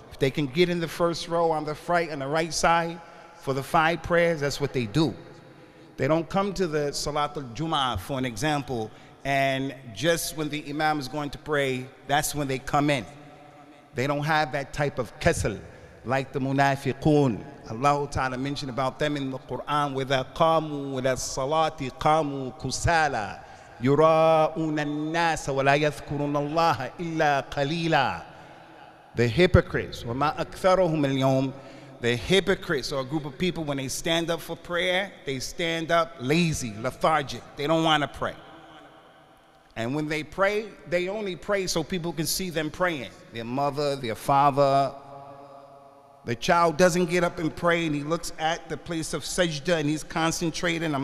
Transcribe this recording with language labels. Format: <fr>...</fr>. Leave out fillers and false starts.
<en>If they can get in the first row on the right and the right side for the five prayers, that's what they do. They don't come to the Salat al-Jum'ah, for an example, and just when the Imam is going to pray, that's when they come in. They don't have that type of kesal like the munafiqun. Allah Ta'ala mentioned about them in the Quran,</en> <ar>وَذَا قَامُوا وَلَا الصَّلَاةِ قَامُوا كُسَالَى يُرَاءُونَ النَّاسَ وَلَا يَذْكُرُونَ اللَّهَ إِلَّا قَلِيلًا.</ar> <en>The hypocrites,</en> <ar>وَمَا أَكْثَرُهُمْ الْيَوْمِ.</ar> <en>The hypocrites, or a group of people, when they stand up for prayer, they stand up lazy, lethargic. They don't want to pray. And when they pray, they only pray so people can see them praying. Their mother, their father. The child doesn't get up and pray, and he looks at the place of sajda, and he's concentrating.</en>